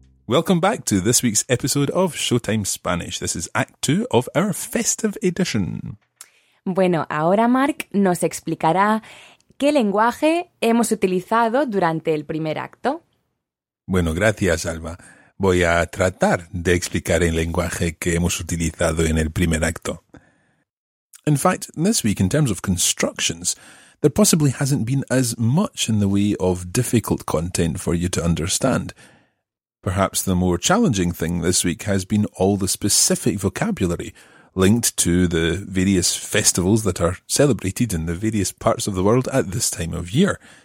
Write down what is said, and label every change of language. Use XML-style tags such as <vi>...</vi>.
<en>Welcome back to this week's episode of Showtime Spanish. This is Act 2 of our festive edition.</en> <es>Bueno, ahora Mark nos explicará qué lenguaje hemos utilizado durante el primer acto. Bueno, gracias, Alba. Voy a tratar de explicar el lenguaje que hemos utilizado en el primer acto.</es> <en>In fact, this week, in terms of constructions, there possibly hasn't been as much in the way of difficult content for you to understand. Perhaps the more challenging thing this week has been all the specific vocabulary linked to the various festivals that are celebrated in the various parts of the world at this time of year.</en>